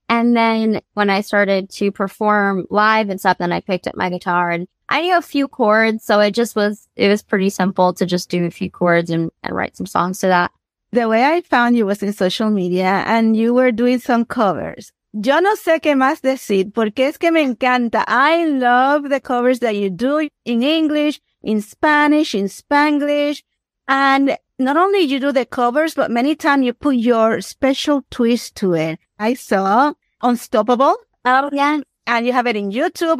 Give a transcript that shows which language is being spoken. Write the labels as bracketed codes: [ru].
[en] And then when I started to perform live and stuff, then I picked up my guitar and I knew a few chords. So it was pretty simple to just do a few chords and write some songs to that. The way I found you was in social media and you were doing some covers. [es] Yo no sé qué más decir, porque es que me encanta. [en] I love the covers that you do in English, in Spanish, in Spanglish. And not only you do the covers, but many times you put your special twist to it. I saw Unstoppable. Oh, yeah. And you have it in YouTube.